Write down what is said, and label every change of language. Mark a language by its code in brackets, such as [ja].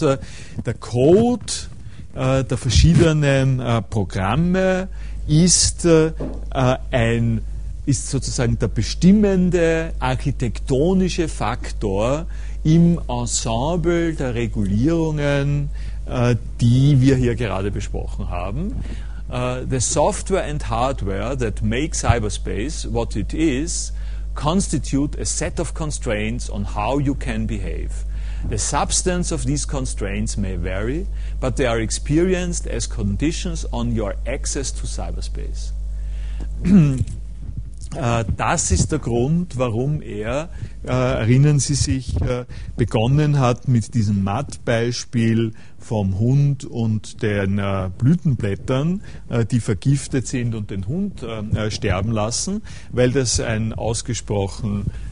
[de] Der Code der verschiedenen Programme ist sozusagen der bestimmende architektonische Faktor im Ensemble der Regulierungen, die wir hier gerade besprochen haben. [en] The software and hardware that make cyberspace what it is constitute a set of constraints on how you can behave. The substance of these constraints may vary, but they are experienced as conditions on your access to cyberspace. [de] Das ist der Grund, warum er, erinnern Sie sich, begonnen hat mit diesem Matt-Beispiel vom Hund und den Blütenblättern, die vergiftet sind und den Hund sterben lassen, weil das ein ausgesprochen